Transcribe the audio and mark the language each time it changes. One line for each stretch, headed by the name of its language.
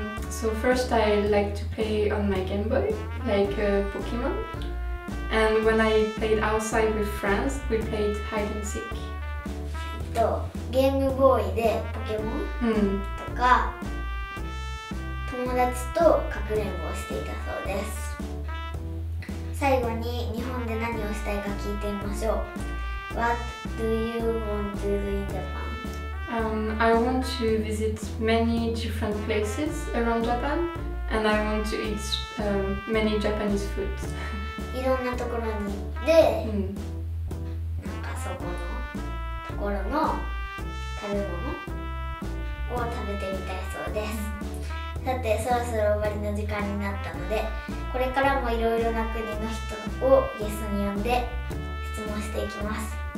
English: So first I like to play on my Game Boy, like Pokemon. And when I played outside with friends, we played hide and seek.
Japanese: Game Boy でポケモン、とか友達とかくれんぼをしていたそうです。最後に日本で何をしたいか聞いてみましょう。
English: What do you want to do in Japan? I want to visit many different places around Japan and I want to eat many Japanese foods.
Japanese: いろんなところに行って、なんかそこのところの食べ物を食べてみたいそうです。さて、そろそろ終わりの時間になったので、これからもいろいろな国の人をゲストに呼んで質問していきます。